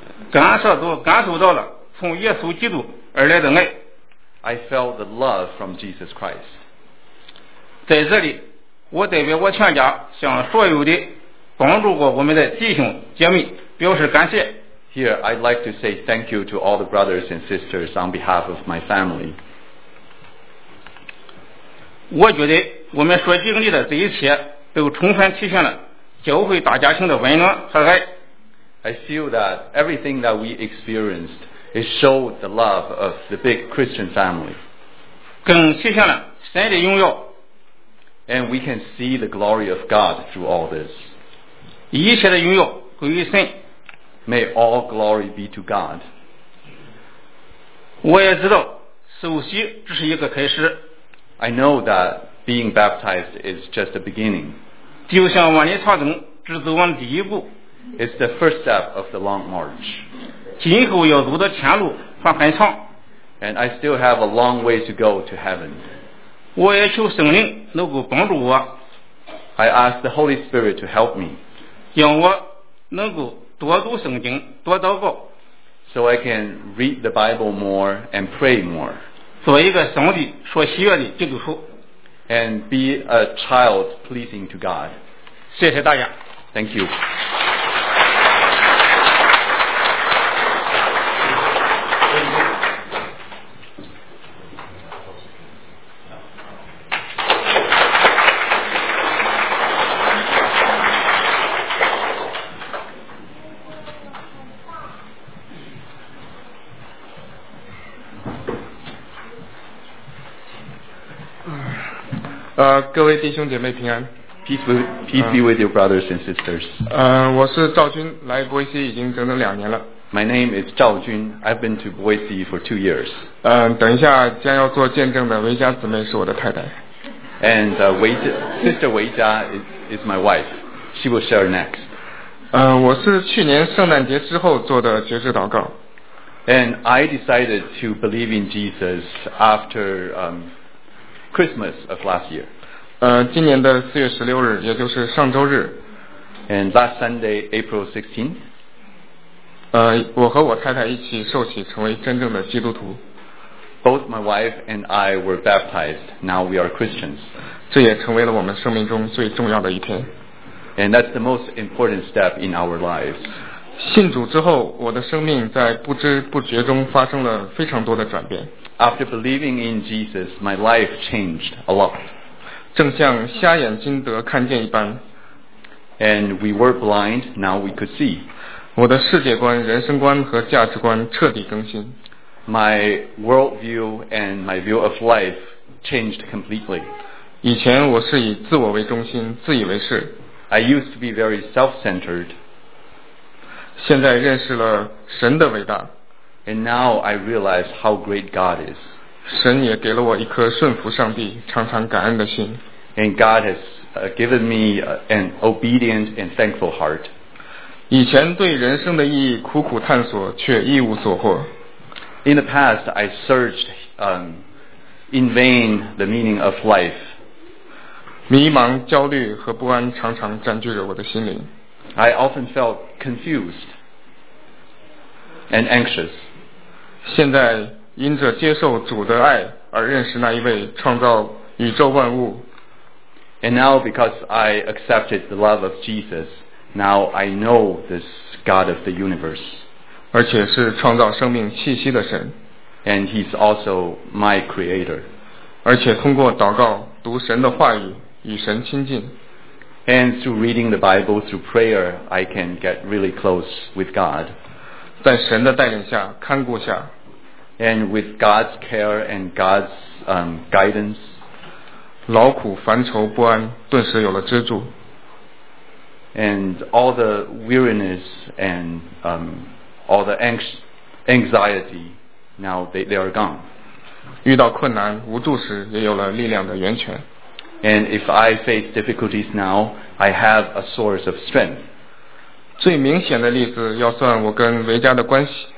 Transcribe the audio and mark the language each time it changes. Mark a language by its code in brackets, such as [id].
[zh] 感受到了从耶稣基督而来的爱。 [en] I felt the love from Jesus Christ. [zh] 在这里，我代表我全家向所有的帮助过我们的弟兄姐妹表示感谢。 [en] Here, I'd like to say thank you to all the brothers and sisters on behalf of my family. [zh] 我觉得我们所经历的这一切都充分体现了教会大家庭的温暖和爱。 [en] I feel that everything that we experienced is showed the love of the big Christian family. [zh] 更体现了神的荣耀。 [en] And we can see the glory of God through all this. [zh] 一切的荣耀归于神。 [en] May all glory be to God. [zh] 我也知道受洗只是一个开始。 [en] I know that being baptized is just the beginning. [zh] 就像万里长征只走完第一步。 [en] It's the first step of the long march. [zh] 今后要走的前路还很长。 [en] And I still have a long way to go to heaven. [zh] 我也求圣灵能够帮助我。 [en] I ask the Holy Spirit to help me. [zh] 让我能够多读圣经，多祷告。 [en] So I can read the Bible more and pray more. [zh] 做一个上帝所喜悦的基督徒。 [en] And be a child pleasing to God. [zh] 谢谢大家。 [en] Thank you. [zh] 各位弟兄姐妹平安。 [en] Peace be with your brothers and sisters. [zh] 我是赵军，来波西已经整整两年了。 [en] My name is 赵军 I've been to Boise for 2 years. [zh] 等一下将要做见证的维嘉姊妹是我的太太。 [en] And Sister 维嘉 is my wife. She will share next. [zh] 我是去年圣诞节之后做的决志祷告。 [en] And I decided to believe in Jesus after Christmas of last year. [zh] 今年的四月十六日，也就是上周日。 [en] And last Sunday, April 16th. [zh] 我和我太太一起受洗，成为真正的基督徒。 [en] Both my wife and I were baptized. Now we are Christians. [zh] 这也成为了我们生命中最重要的一天。 [en] And that's the most important step in our lives. [zh] 信主之后，我的生命在不知不觉中发生了非常多的转变。 [en] After believing in Jesus, my life changed a lot. [zh] 正像瞎眼睛得看见一般。 [en] And we were blind, now we could see. [zh] 我的世界观、人生观和价值观彻底更新。 [en] My worldview and my view of life changed completely. [zh] 以前我是以自我为中心，自以为是。 [en] I used to be very self-centered. [zh] 现在认识了神的伟大。 [en] And now I realize how great God is. [zh] 神也给了我一颗顺服上帝、常常感恩的心。 [en] And God has given me an obedient and thankful heart. [zh] 以前对人生的意义苦苦探索，却一无所获。 [en] In the past, I searched in vain the meaning of life. [zh] 迷茫、焦虑和不安常常占据着我的心灵。 [en] I often felt confused and anxious. [zh] 现在因着接受主的爱而认识那一位创造宇宙万物。 [en] And now because I accepted the love of Jesus, now I know this God of the universe. [zh] 而且是创造生命气息的神。 [en] And he's also my creator. [zh] 而且通过祷告读神的话语与神亲近。 [en] And through reading the Bible through prayer, I can get really close with God. [zh] 在神的带领下看顾下。 [en] And with God's care and God's guidance, [zh] 劳苦烦愁不安顿时有了支柱。 [en] And all the weariness and all the anxiety, now they are gone. [zh] 遇到困难无助时也有了力量的源泉。 [en] And if I face difficulties now, I have a source of strength. [zh] 最明显的例子要算我跟维嘉的关系。